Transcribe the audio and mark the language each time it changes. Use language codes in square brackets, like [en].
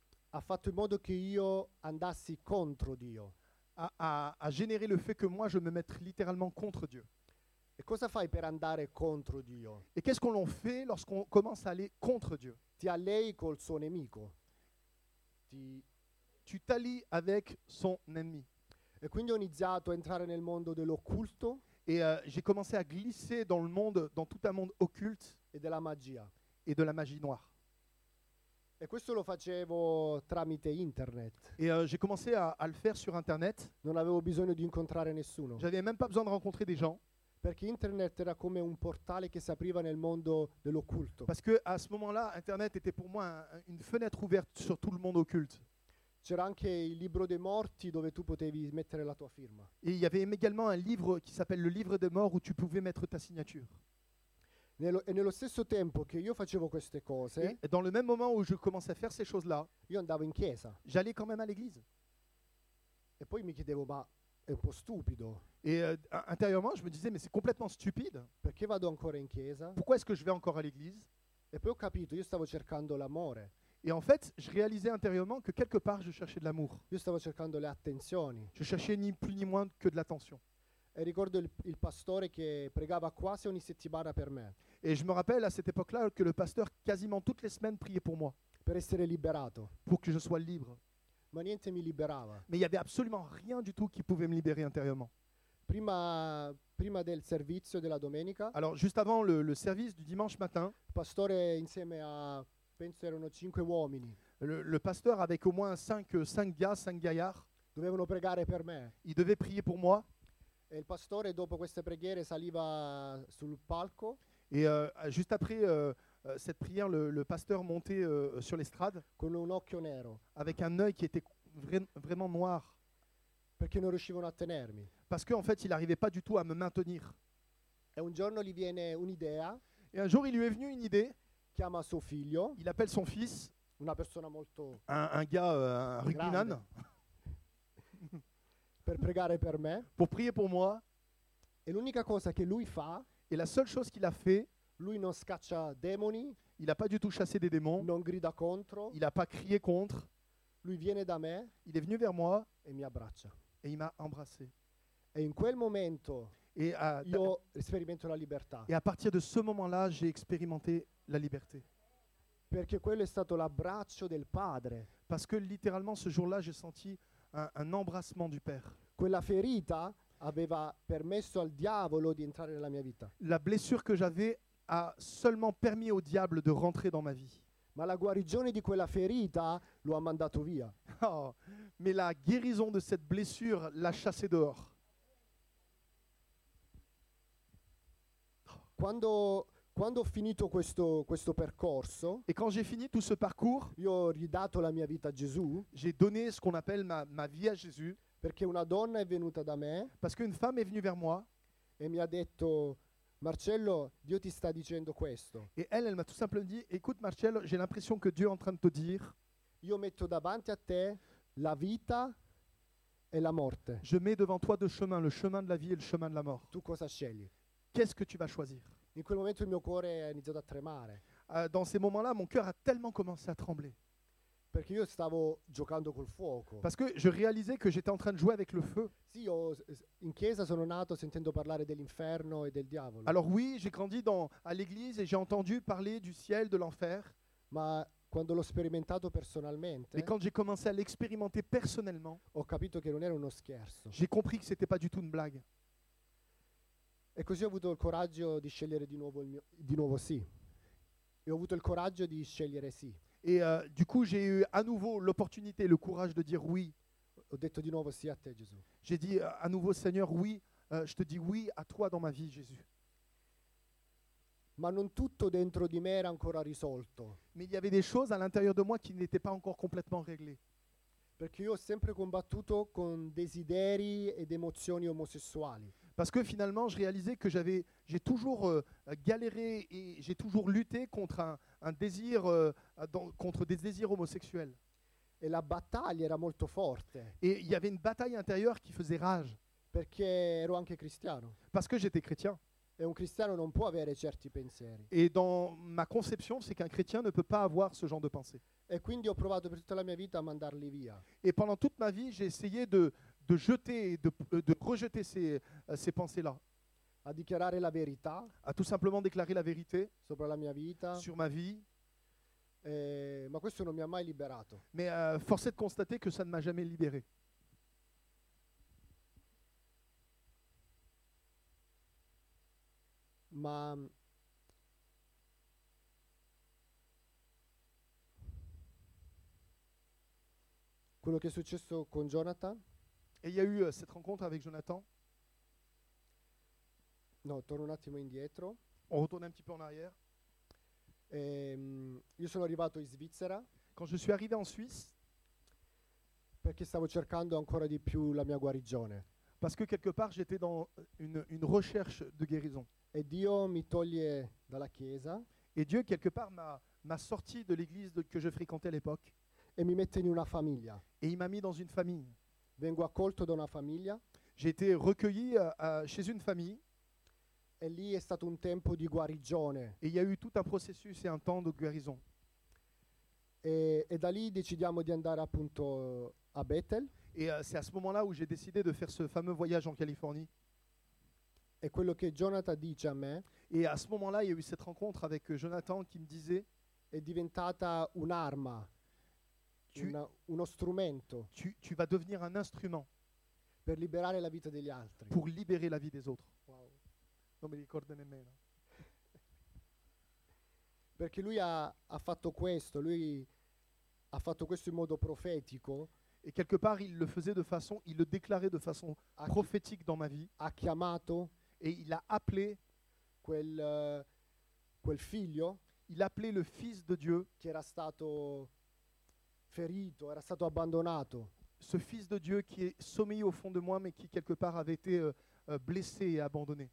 [it] Ha fatto in modo che io andassi contro Dio. [fr] A généré le fait que moi je me mette littéralement contre Dieu. [it] E cosa fai per andare contro Dio? [fr] Et qu'est-ce qu'on fait lorsqu'on commence à aller contre Dieu? [it] Ti allei col suo nemico. [fr] Tu t'allies avec son ennemi. [it] E quindi ho iniziato a entrare nel mondo dell'occulto. [fr] Et j'ai commencé à glisser dans le monde, dans tout un monde occulte. Et de la magia. Et de la magie noire. [it] E questo lo facevo tramite internet. [fr] Et j'ai commencé à le faire sur internet. [it] Non avevo bisogno di incontrare nessuno. [fr] J'avais même pas besoin de rencontrer des gens. [it] Perché internet era come un portale che si apriva nel mondo dell'occulto. [fr] Parce que à ce moment-là, internet était pour moi une fenêtre ouverte sur tout le monde occulte. [it] C'era anche il libro dei morti dove tu potevi mettere la tua firma. [fr] Et il y avait également un livre qui s'appelle le livre des morts où tu pouvais mettre ta signature. [it] E nello stesso tempo che io facevo queste cose, [fr] et dans le même moment où je commençais à faire ces choses-là, [it] io andavo in chiesa. [fr] J'allais quand même à l'église. [it] E poi mi chiedevo, ma è un po' stupido. [fr] Et intérieurement, je me disais, mais c'est complètement stupide. [it] Perché vado ancora in chiesa? [fr] Pourquoi est-ce que je vais encore à l'église? [it] E poi ho capito, io stavo cercando l'amore. [fr] Et en fait, je réalisais intérieurement que quelque part, je cherchais de l'amour. [it] Io stavo cercando le attenzioni. [fr] Je cherchais ni plus ni moins que de l'attention. [it] E ricordo il pastore che pregava quasi ogni settimana per me. [fr] Et je me rappelle à cette époque-là que le pasteur quasiment toutes les semaines priait pour moi. [it] Per essere liberato. [fr] Pour que je sois libre. [it] Ma niente mi liberava. [fr] Mais il n'y avait absolument rien du tout qui pouvait me libérer intérieurement. [it] Prima del servizio della domenica. [fr] Alors juste avant le service du dimanche matin. [it] Pastore insieme a penso erano 5 uomini. [fr] Le pasteur avec au moins 5 gaillards. [it] Dovevano pregare per me. [fr] Ils devaient prier pour moi. [it] E il pastore dopo queste preghiere saliva sul palco. [fr] Et juste après cette prière, le pasteur montait sur l'estrade. [it] Con un occhio nero. [fr] Avec un œil qui était vraiment noir. [it] Perché non riuscivano a tenermi. [fr] Parce qu'en fait, il n'arrivait pas du tout à me maintenir. [it] E un giorno gli viene un'idea. [fr] Et un jour, il lui est venu une idée. [it] Chiama suo figlio. [fr] Il appelle son fils. [it] Una persona molto. [fr] Un gars, un rugbyman. [it] Per pregare per me. [fr] Pour prier pour moi. [it] E l'unica cosa che lui fa. [fr] Et la seule chose qu'il a fait, [it] lui non scaccia demoni, [fr] il n'a pas du tout chassé des démons, [it] non grida contro, [fr] il n'a pas crié contre, [it] lui viene da me, [fr] il est venu vers moi [it] et, mi abbraccia. Et il m'a embrassé. Et in quel momento [fr] et [it] io sperimento la libertà. [fr] Et à partir de ce moment-là, j'ai expérimenté la liberté. [it] Perché quello è stato l'abbraccio del padre. [fr] Parce que littéralement, ce jour-là, j'ai senti un embrassement du Père. [it] Quella ferita aveva permesso al diavolo di entrare nella mia vita. [fr] La blessure que j'avais a seulement permis au diable de rentrer dans ma vie. [it] Ma la guarigione di quella ferita lo ha mandato via. [fr] Oh, mais la guérison de cette blessure l'a chassé dehors. [it] Quando ho finito questo percorso, [fr] et quand j'ai fini tout ce parcours, [it] io ho ridato la mia vita a Gesù. [fr] J'ai donné ce qu'on appelle ma vie à Jésus. [it] Perché una donna è venuta da me. [fr] Parce qu'une femme est venue vers moi. [it] E mi ha detto, Marcello, Dio ti sta dicendo questo. [fr] Et elle m'a tout simplement dit, écoute Marcello, j'ai l'impression que Dieu est en train de te dire. [it] Io metto davanti a te la vita e la morte. [fr] Je mets devant toi deux chemins, le chemin de la vie et le chemin de la mort. [it] Tu cosa scegli? [fr] Qu'est-ce que tu vas choisir? [it] In quel momento il mio cuore ha iniziato a tremare. [fr] Dans ces moments-là, mon cœur a tellement commencé à trembler. [it] Perché io stavo giocando col fuoco. [fr] Parce que je réalisais que j'étais en train de jouer avec le feu. [it] Sì, io in chiesa sono nato sentendo parlare dell'inferno e del diavolo. [fr] Alors oui, j'ai grandi à l'église et j'ai entendu parler du ciel, de l'enfer. [it] Ma quando l'ho sperimentato personalmente. [fr] Et quand j'ai commencé à l'expérimenter personnellement. [it] Ho capito che non era uno scherzo. [fr] J'ai compris que c'était pas du tout une blague. [it] E così ho avuto il coraggio di scegliere di nuovo sì. E ho avuto il coraggio di scegliere sì. [fr] Et du coup, j'ai eu à nouveau l'opportunité, le courage de dire oui. [it] Ho detto di nuovo sì a te, Gesù. [fr] J'ai dit à nouveau, Seigneur, oui, je te dis oui à toi dans ma vie, Jésus. [it] Ma non tutto dentro di me era ancora risolto. [fr] Mais il y avait des choses à l'intérieur de moi qui n'étaient pas encore complètement réglées. [it] Perché io ho sempre combattuto con desideri ed emozioni omosessuali. [fr] Parce que finalement, je réalisais que j'ai toujours galéré et j'ai toujours lutté contre un désir, contre des désirs homosexuels. [it] Et la battaglia era molto forte. [fr] Et il y avait une bataille intérieure qui faisait rage. [it] Perché ero anche cristiano. [fr] Parce que j'étais chrétien. [it] Et un cristiano non può avere certi pensieri. [fr] Et dans ma conception, c'est qu'un chrétien ne peut pas avoir ce genre de pensée. [it] Et quindi ho provato per tutta la mia vita a mandarli via. [fr] Et pendant toute ma vie, j'ai essayé de rejeter ces pensées-là. [it] A dichiarare la verità. [fr] À tout simplement déclarer la vérité. [it] Sopra la mia vita. [fr] Sur ma vie. [it] Ma questo non mi ha mai liberato. [fr] Mais force est de constater que ça ne m'a jamais libéré. [it] Ma quello che è successo con Jonathan. [fr] Et il y a eu cette rencontre avec Jonathan. [it] No, torno un attimo indietro. [fr] On retourne un petit peu en arrière. [it] Io sono arrivato in Svizzera. [fr] Quand je suis arrivé en Suisse. [it] Perché stavo cercando ancora di più la mia guarigione. [fr] Parce que quelque part j'étais dans une recherche de guérison. [it] E Dio mi toglie dalla chiesa. [fr] Et Dieu quelque part m'a sorti de l'église que je fréquentais à l'époque. [it] E mi mette in una famiglia. [fr] Et il m'a mis dans une famille. [it] Vengo accolto da una famiglia. [fr] J'ai été recueilli chez une famille. [it] E lì è stato un tempo di guarigione. [fr] Et il y a eu tout un processus et un temps de guérison. [it] E da lì decidiamo di andare appunto a Bethel. [fr] Et c'est à ce moment-là où j'ai décidé de faire ce fameux voyage en Californie. [it] E quello che Jonathan dice a me. [fr] Et à ce moment-là, il y a eu cette rencontre avec Jonathan qui me disait. [it] È diventata un'arma. Uno strumento. [fr] Tu vas devenir un instrument. [it] Per liberare la vita degli altri. [fr] Pour libérer la vie des autres. Wow. [it] Non mi ricordo nemmeno. Perché lui ha fatto questo. Lui ha fatto questo in modo profetico. [fr] Et quelque part, il le faisait de façon, il le déclarait de façon prophétique dans ma vie. [it] Ha chiamato. [fr] Et il a appelé [it] quel figlio. [fr] Il a appelé le fils de Dieu. [it] Qui era stato ferito, era stato abbandonato. [fr] Ce fils de Dieu qui est sommeillé au fond de moi, mais qui quelque part avait été blessé et abandonné.